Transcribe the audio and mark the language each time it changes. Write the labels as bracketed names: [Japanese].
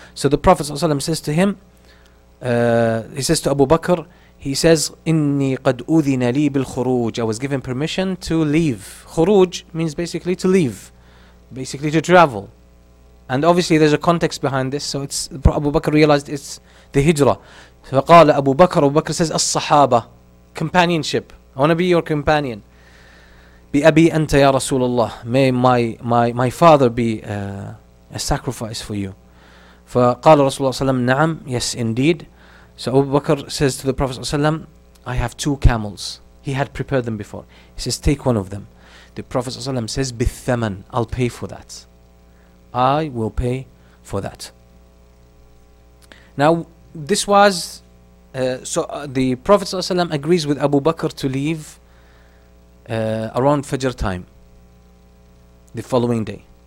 [English] So the Prophet ﷺ says to him, he says to Abu Bakr, he says, [Arabic] "Inni qad udhina li bil khuruj." [English] I was given permission to leave. Khuruj means basically to leave, basically to travel. And obviously there's a context behind this, so it's Abu Bakr realized it's the hijrah. [Arabic] فَقَالَ أَبُو بَكْرُ أَبُو بَكْرُ says, الصحابة, companionship. [English] I want to be your companion. [Arabic] بِأَبِي أَنْتَ يَا رَسُولَ اللَّهِ [English] May my father be a sacrifice for you. [Arabic] فَقَالَ رَسُولَ اللَّهِ صَلَّى اللَّهُ عَلَيْهِ وَسَلَّمَ نَعَمْ [English] Yes, indeed. So Abu Bakr says to the Prophet ﷺ, I have two camels. He had prepared them before. He says, take one of them. The Prophet ﷺ says, بِالثَّمَن, I'll pay for that. I will pay for that. Now, this was, the Prophet ﷺ agrees with Abu Bakr to leave around Fajr time, the following day.